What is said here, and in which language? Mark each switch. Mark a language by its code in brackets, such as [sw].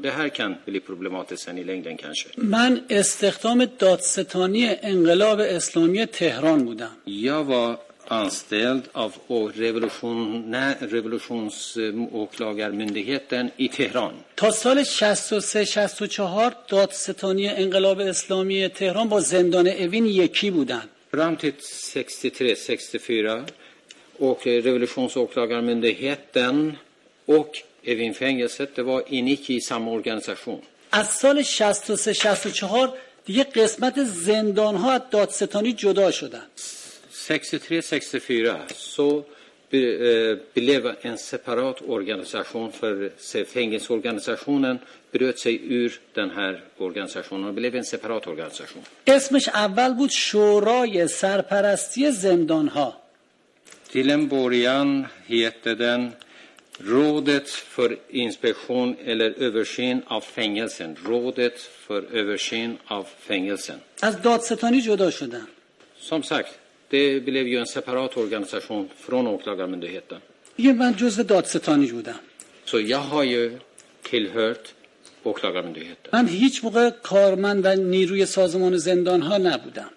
[sv] Det här kan bli problematiskt sen i längden kanske. [fa] من استخدام دادستانی انقلاب اسلامی تهران بودم. [sv] Jag var anställd av revolutionsåklagarmyndigheten i Teheran. [fa] تا سال 63-64 دادستانی انقلاب اسلامی تهران با زندان اوین یکی بودند. [sv] Fram till 63-64 och revolutionsåklagarmyndigheten och Evin fängelset det var inik i samma organisation. [fa] از سال 63-64 دیگه قسمت زندان ها از دادستانی جدا شدن. [sv] 63-64 så blev en separat organisation för fängelseorganisationen bröt sig ur den här organisationen och blev en separat organisation. [fa] اسمش اول بود شورای سرپرستی زندان ها. [sv] Till en början hette den rådet för inspektion eller översyn av fängelsen. Rådet för översyn av fängelsen. [fa] از دادستانی جدا شدن. [sv] Som sagt, det blev ju en separat organisation från åklagarmyndigheten. Ja, men just det dadsetani gjorde. Så jag har ju tillhört åklagarmyndigheten. [fa] Men hiç موقع کارمند و نیروی سازمان زندان ها نبودم.